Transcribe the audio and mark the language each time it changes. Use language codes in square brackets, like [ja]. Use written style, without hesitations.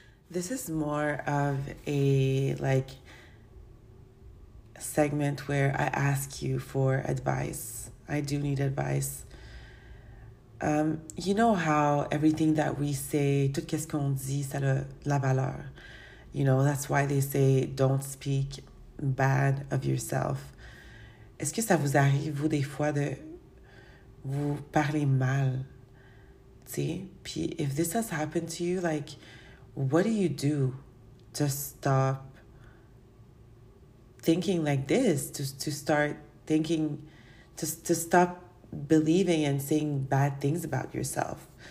[en] This is more of a, like, segment where I ask you for advice. I do need advice. You know how everything that we say, [fr] tout ce qu'on dit, ça a la valeur. [en] You know, that's why they say, don't speak bad of yourself. [fr] Est-ce que ça vous arrive, vous, des fois, de vous parler mal? Tu sais? [en] Puis, if this has happened to you, like, what do you do to stop thinking like this? To start thinking, to stop believing and saying bad things about yourself?